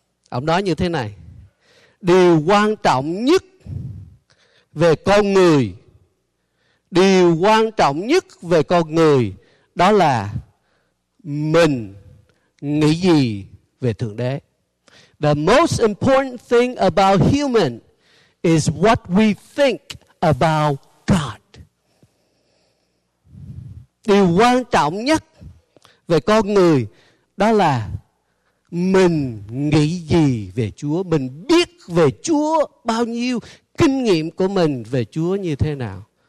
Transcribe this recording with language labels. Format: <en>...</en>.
<vi>Ổng nói như thế này: điều quan trọng nhất về con người, điều quan trọng nhất về con người đó là mình nghĩ gì về Thượng Đế.</vi> <en>The most important thing about human is what we think about God.</en> <vi>Điều quan trọng nhất về con người đó là mình nghĩ gì về Chúa, mình biết về Chúa bao nhiêu, kinh nghiệm của mình về Chúa như thế nào.</vi>